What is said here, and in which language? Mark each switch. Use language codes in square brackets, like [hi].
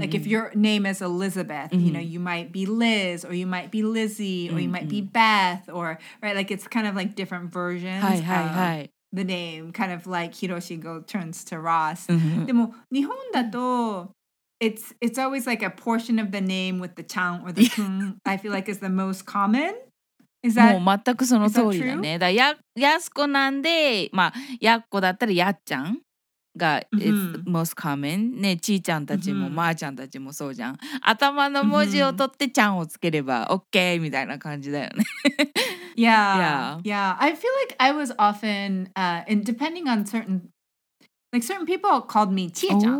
[en] like, if your name is Elizabeth, mm-hmm. you know, you might be Liz, or you might be Lizzie, mm-hmm. or you might be Beth, or, right, like, it's kind of, like, different versions of the name, kind of like Hiroshi turns to Ross. [ja] でも、日本だと、 [en] it's always, like, a portion of the name with the chan or the kun, I feel like, is the most common. [ja] もう全くその通りだね。だからやすこなんで、まあやっこだったらやっちゃんが、mm-hmm. [en] is most common。 [ja] ね、ちいちゃんたちも、mm-hmm. まーちゃんたちもそうじゃん。頭の文字を取ってちゃんをつければ、OK みたいな感じだよね。 [en] yeah. yeah. Yeah. I feel like I was often, and depending on certain, like certain people called me ちいちゃん。